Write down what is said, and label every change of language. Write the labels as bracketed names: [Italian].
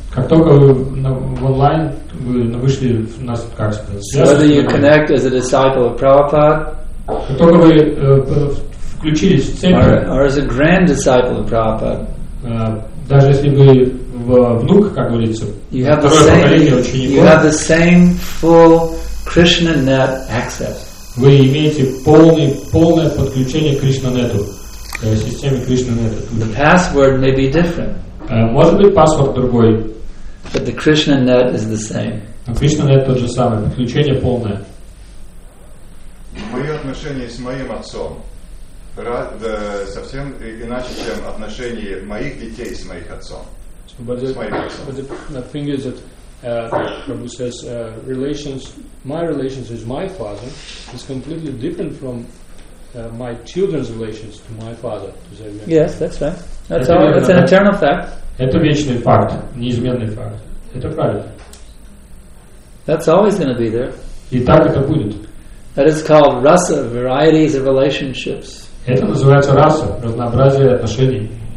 [Russian] Как только вы в онлайн, вы вышли в нас как сказать. [English] Whether you connect as a disciple of Prabhupada. [Russian] Как только вы включились в цепь. [English] Or as a grand disciple of Prabhupada. [Russian] Даже если вы внук, как говорится, [English] you have the same full Krishna net access. [Russian] Вы имеете полное подключение к Krishna net, к системе Krishna net. [English] The password may be different. [Russian] Может быть паспорт другой. [English] But the Krishna net is the same. [Russian] Но Krishna net тот же самый, подключение полное. Мои отношения с моим отцом. Совсем иначе, чем отношение моих детей с моим отцом. [English] But the thing is that Prabhu says my relations with my father is completely different from my children's relations to my father. Yes, that's right. That's all. That's an eternal fact. [Russian] Это вечный факт, неизменный факт. Это правильно. [English] That's always going to be there. [Russian] И так это будет. [English] That is called rasa, varieties of relationships. [Russian] Это называется раса, разнообразие отношений.